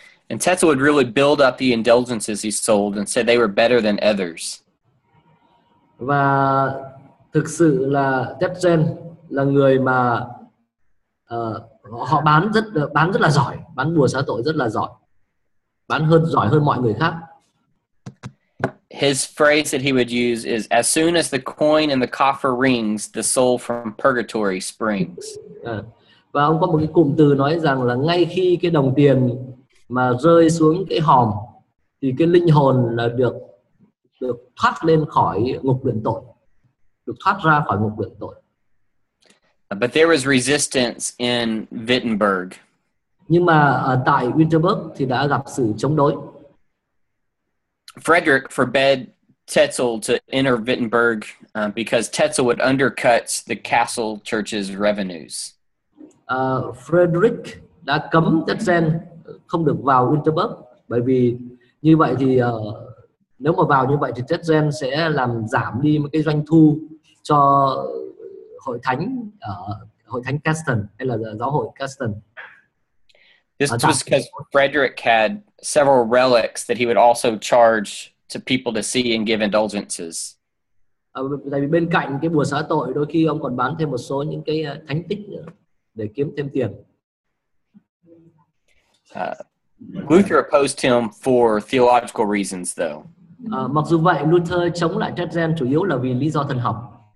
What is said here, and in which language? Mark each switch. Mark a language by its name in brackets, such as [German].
[English] And Tetzel would really build up the indulgences he sold and said they were better than others. [Vietnamese] Và thực sự là Tetzel là người mà họ bán rất là giỏi, bán bùa xá tội rất là giỏi. Bán hơn giỏi hơn mọi người khác. [English] His phrase that he would use is as soon as the coin in the coffer rings, the soul from purgatory springs. [Vietnamese] Và ông có một cái cụm từ nói rằng là ngay khi cái đồng tiền mà rơi xuống cái hòm thì cái linh hồn là được thoát lên khỏi ngục luyện tội, được thoát ra khỏi ngục luyện tội. [English] But there was resistance in Wittenberg. [Vietnamese] Nhưng mà tại Wittenberg thì đã gặp sự chống đối. [English] Frederick forbade Tetzel to enter Wittenberg because Tetzel would undercut the castle church's revenues. [Vietnamese] Frederick đã cấm Tetzel không được vào Winterberg, bởi vì như vậy thì nếu mà vào như vậy thì Tetzel sẽ làm giảm đi một cái doanh thu cho hội thánh Caston hay là giáo hội Caston. [English] This was because Frederick had several relics that he would also charge to people to see and give indulgences. [Vietnamese] Tại vì bên cạnh cái bùa xá tội, đôi khi ông còn bán thêm một số những cái thánh tích nữa để kiếm thêm tiền. [English] Luther opposed him for theological reasons, though. [Vietnamese] Mặc dù vậy, Luther chống lại Tetzel chủ yếu là vì lý do thần học.